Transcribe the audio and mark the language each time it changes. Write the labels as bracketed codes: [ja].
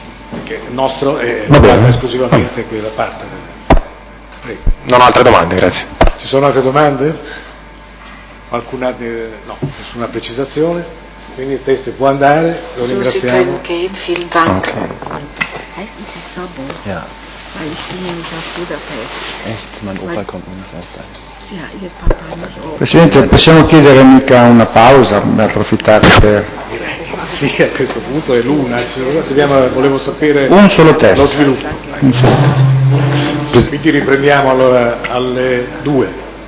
[it] Perché il nostro è esclusivamente quella parte. Prego. Non ho altre domande, grazie. Ci sono altre domande? Qualcuna? No, nessuna precisazione. Quindi il test può andare, lo ringraziamo. [de] Weil ich bin nämlich aus Budapest. Echt? Mein Opa kommt nämlich aus da. Ja, ihr Papa ist auch. [it] Presidente, possiamo chiedere mica una pausa per approfittare per... Sì, a questo punto è l'una. Volevo sapere... Un solo test. Lo sviluppo. Un solo test. Quindi riprendiamo allora alle due.